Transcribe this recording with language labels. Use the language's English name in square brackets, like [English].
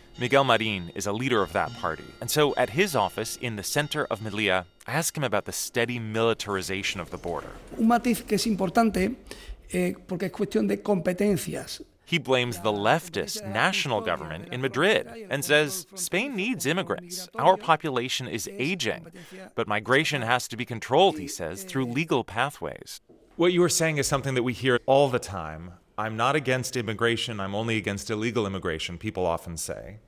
[English] Miguel Marin is a leader of that party, and so at his office in the center of Melilla, I ask him about the steady militarization of the border. [Spanish] Un matiz que es importante porque es cuestión de competencias. [English] He blames the leftist national government in Madrid and says, Spain needs immigrants. Our population is aging, but migration has to be controlled, he says, through legal pathways. What you are saying is something that we hear all the time. I'm not against immigration, I'm only against illegal immigration, people often say.